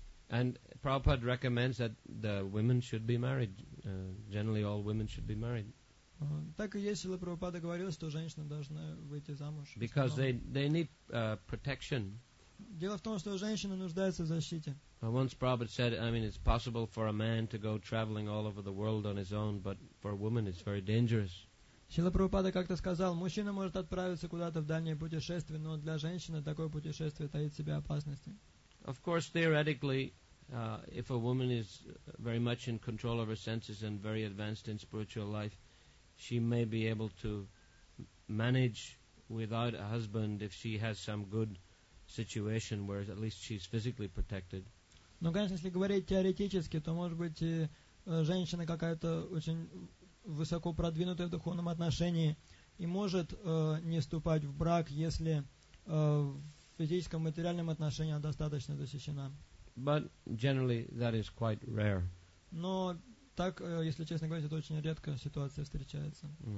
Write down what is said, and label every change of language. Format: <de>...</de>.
<en>And Prabhupada recommends that the women should be married. Generally, all women should be married.</en> <ru>Так и есть, сила Прабхупада говорил, что женщина должна выйти замуж.</ru> <en>Because they need protection.</en> <ru>Дело в том, что женщина нуждается в защите.</ru> <en>Once Prabhupada said, I mean, it's possible for a man to go traveling all over the world on his own, but for a woman it's very dangerous.</en> <ru>Сила Прабхупада как-то сказал, мужчина может отправиться куда-то в дальнее путешествие, но для женщины такое путешествие таит в себе опасности.</ru> <en>Of course, theoretically, if a woman is very much in control of her senses and very advanced in spiritual life, she may be able to manage without a husband if she has some good situation where at least she's physically protected.</en> <ru>Но, конечно, если говорить теоретически, то, может быть, женщина какая-то очень высоко продвинутая в духовном отношении и может не вступать в брак, если в физическом, материальном отношении она достаточно защищена.</ru> <en>But generally that is quite rare.</en> <ru>Но так, если честно говорить, это очень редко ситуация встречается.</ru>